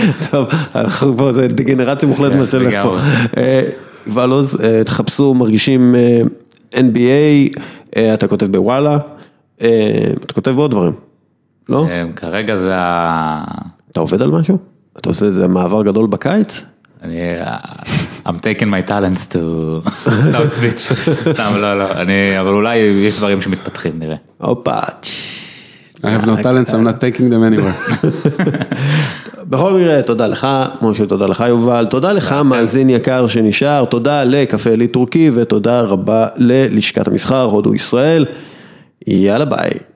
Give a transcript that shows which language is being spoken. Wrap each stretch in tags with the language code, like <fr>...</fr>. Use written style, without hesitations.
<he>טוב, אנחנו פה, זה דגנרציה מוחלט מה שלך פה. ולוז, תחפשו, מרגישים NBA, אתה כותב בוואלה, אתה כותב בעוד דברים, לא? כרגע זה ה... אתה עובד על משהו? אתה עושה איזה מעבר גדול בקיץ? אני...</he> <en>I'm taking my talents to... No speech.</en> <he>לא, אני... אבל אולי יש דברים שמתפתחים, נראה. אופה.</he> <en>I have no talents, I'm not taking them anywhere.</en> <he>בכל מקרה, תודה לך, משה, תודה לך, יובל, תודה לך, מאזין יקר שנשאר, תודה לקפה אלי טורקי, ותודה רבה ללשכת המסחר, הודו ישראל, יאללה ביי.</he>